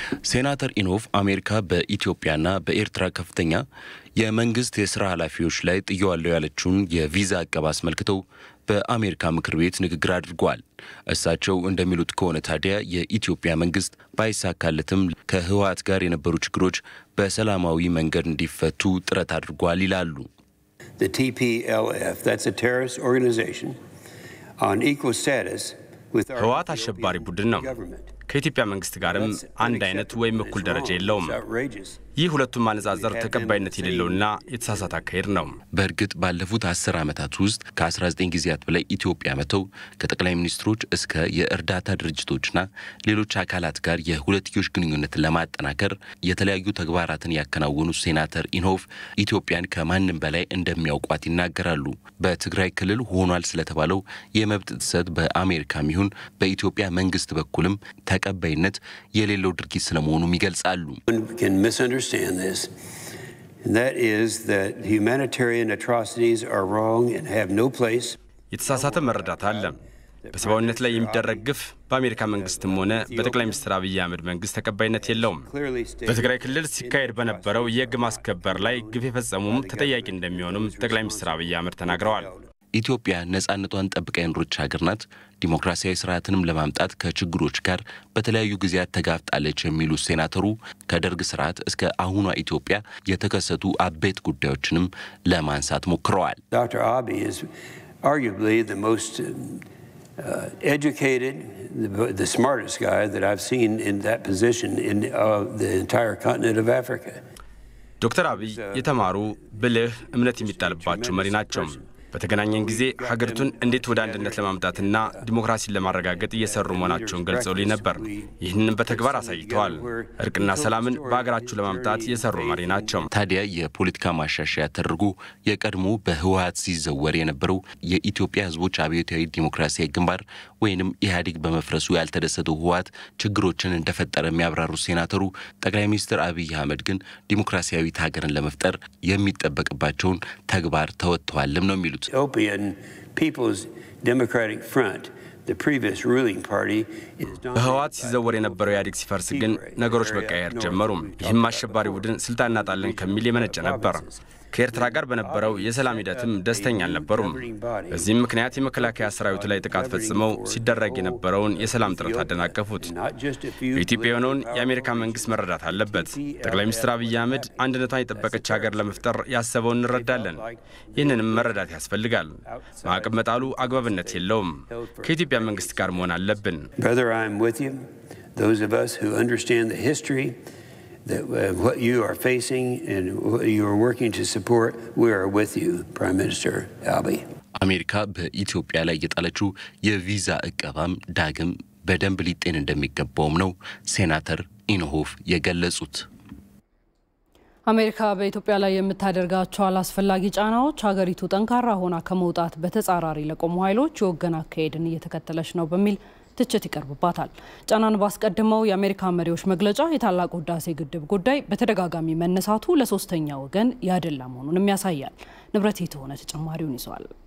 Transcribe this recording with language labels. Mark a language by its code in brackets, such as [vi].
[am] ሴናተር ኢኖፍ አሜሪካ በኢትዮጵያና በኤርትራ ከፍተኛ የመንግስት የስራ ኃላፊዎች ላይ ጥያዋለው ያለችውን የቪዛ አቀባ አስመልክቶ በአሜሪካ ምክር ቤት ንግግር አድርጓል። እሳቸው እንደሚሉት ከሆነ ታዲያ የኢትዮጵያ መንግስት ባይሳካለትም ከህወሓት ጋር የነበሩ ችግሮች በሰላማዊ መንገድ እንዲፈቱ ጥረት አድርጓል ይላሉ። [en] The TPLF, that's a terrorist organization on equal status with our [am] ህወሓት አሸባሪ ቡድን ነው። ከኢትዮጵያ መንግስት ጋርም አንድ አይነት ወይም እኩል ደረጃ የለውም። ይህ ሁለቱም ማነጻጸር ተቀባይነት የሌለውና የተሳሳተ አካሄድ ነው። በእርግጥ ባለፉት 10 አመታት ውስጥ ከ19 ጊዜያት በላይ ኢትዮጵያ መተው ከጠቅላይ ሚኒስትሮች እስከ የእርዳታ ድርጅቶችና ሌሎች አካላት ጋር የሁለትዮሽ ግንኙነት ለማጠናከር የተለያዩ ተግባራትን ያከናወኑ ሴናተር ኢንሆፍ ኢትዮጵያን ከማንም በላይ እንደሚያውቋት ይናገራሉ። በትግራይ ክልል ሆኗል ስለተባለው የመብት ጥሰት በአሜሪካ ይሁን በኢትዮጵያ መንግስት በኩልም ተቀባይነት የሌለው ድርጊት ስለመሆኑም ይገልጻሉ። [en] Understand this, and that is that humanitarian atrocities are wrong and have no place. [am] የተሳሳተ መረዳት አለ። በሰባውነት ላይ የሚደረግ ግፍ በአሜሪካ መንግስትም ሆነ በጠቅላይ ሚኒስትር አብይ አህመድ መንግስት ተቀባይነት የለውም። በትግራይ ክልል ሲካሄድ በነበረው የህግ ማስከበር ላይ ግፍ የፈጸሙም ተጠያቂ እንደሚሆኑም ጠቅላይ ሚኒስትር አብይ አህመድ ተናግረዋል። ኢትዮጵያ ነጻነቷን ጠብቃ የኖረች ሀገር ናት። ዲሞክራሲያዊ ስርዓትንም ለማምጣት ከችግሮች ጋር በተለያዩ ጊዜያት ተጋፍጣለች የሚሉ ሴናተሩ ከደርግ ስርዓት እስከ አሁኗ ኢትዮጵያ የተከሰቱ አበይት ጉዳዮችንም ለማንሳት ሞክረዋል። [en] ዶክተር አቢ ኢዝ አርጉብሊ ዘ ሞስት educated the smartest guy that I've seen in that position in the entire continent of Africa. [am] ዶክተር አቢ የተማሩ ብልህ እምነት የሚጣልባቸው መሪ ናቸው። በተገናኘን ጊዜ ሀገሪቱን እንዴት ወደ አንድነት ለማምጣትና ዲሞክራሲን ለማረጋገጥ እየሰሩ መሆናቸውን ገልጸውልኝ ነበር። ይህንን በተግባር አሳይተዋል። እርቅና ሰላምን በአገራቸው ለማምጣት እየሰሩ መሪ ናቸው። ታዲያ የፖለቲካ ማሻሻያ ተደርጎ የቀድሞ በህወሓት ሲዘወር የነበረው የኢትዮጵያ ህዝቦች አብዮታዊ ዲሞክራሲያዊ ግንባር ወይንም ኢህአዴግ በመፍረሱ ያልተደሰተው ህወሓት ችግሮችን እንደፈጠረ የሚያብራሩ ሴናተሩ፣ ጠቅላይ ሚኒስትር አብይ አህመድ ግን ዲሞክራሲያዊ ሀገርን ለመፍጠር የሚጠበቅባቸውን ተግባር ተወጥተዋልም ነው የሚሉት። [en] Ethiopian People's Democratic Front, the previous ruling party, [am] ህወሓት ሲዘወር የነበረው ኢህአዴግ ሲፈርስ ግን ነገሮች መቀየር ጀመሩ። ይህም አሸባሪ ቡድን ስልጣን እናጣለን ከሚል የመነጨ ነበር። ከኤርትራ ጋር በነበረው የሰላም ሂደትም ደስተኛ አልነበሩም። በዚህም ምክንያት የመከላከያ ሰራዊቱ ላይ ጥቃት ፈጽመው ሲደረግ የነበረውን የሰላም ጥረት አደናቀፉት። ኢትዮጵያውያኑን የአሜሪካ መንግስት መረዳት አለበት። ጠቅላይ ሚኒስትር አብይ አህመድ አንድነቷን የጠበቀች ሀገር ለመፍጠር ያሰበውን እንረዳለን። ይህንንም መረዳት ያስፈልጋል። ማዕቀብ መጣሉ አግባብነት የለውም። ከኢትዮጵያ መንግስት ጋር መሆን አለብን። [en] Brother, I'm with you. Those of us who understand the history that what you are facing and what you are working to support, we are with you, Prime Minister Abiy. [am] አሜሪካ በኢትዮጵያ ላይ የጣለችው የቪዛ እቀባም ዳግም በደንብ ሊጤን እንደሚገባውም ነው ሴናተር ኢንሆፍ የገለጹት። አሜሪካ በኢትዮጵያ ላይ የምታደርጋቸው አላስፈላጊ ጫናዎች ሀገሪቱ ጠንካራ ሆና ከመውጣት በተጻራሪ ለቆሙ ኃይሎች ወገና ከሄድን እየተከተለች ነው በሚል ትችት ይቀርብባታል። ጫናን ባስቀድመው የአሜሪካ መሪዎች መግለጫ የታላቁ ህዳሴ ግድብ ጉዳይ በተደጋጋሚ መነሳቱ ለሶስተኛ ወገን ያደላ መሆኑንም ያሳያል። ንብረት የተሆነ ተጨማሪውን ይዟል።